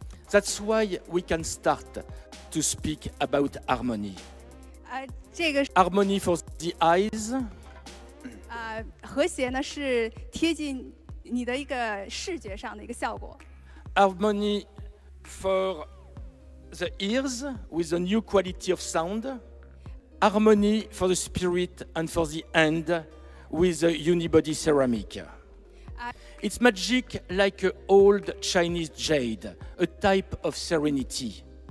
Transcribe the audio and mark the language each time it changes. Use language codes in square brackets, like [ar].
[en] That's why we can start to speak about harmony. Harmony for the eyes. [zh] 和谐呢是贴近你的一个视觉上的一个效果. [en] Harmony for the ears with a new quality of sound. Harmony for the spirit and for the hand with a unibody ceramic. It's magic like an old Chinese jade, a type of serenity.